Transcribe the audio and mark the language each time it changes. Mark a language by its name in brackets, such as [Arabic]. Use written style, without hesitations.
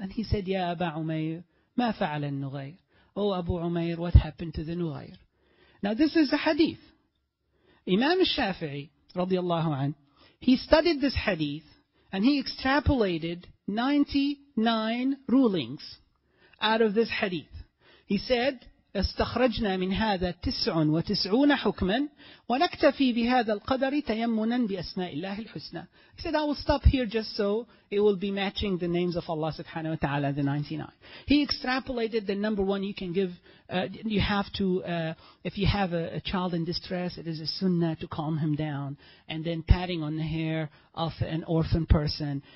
[English] And he said, [Arabic] Ya Abu Umair, ma fa'ala al-Nughayr? [English] Oh Abu Umair, what happened to the Nughayr? Now this is a hadith. Imam al-Shafi'i, radiallahu anhu, he studied this hadith and he extrapolated 99 rulings out of this hadith. [Arabic] He said, استخرجنا من هذا 99 حكما ونكتفي بهذا القدر تيمنا بأسماء الله الحسنى. [English] He said, I will stop here just so it will be matching the names of Allah subhanahu wa ta'ala, the 99. He extrapolated the number one you can give, you have to, if you have a child in distress, it is a sunnah to calm him down. And then patting on the hair of an orphan person.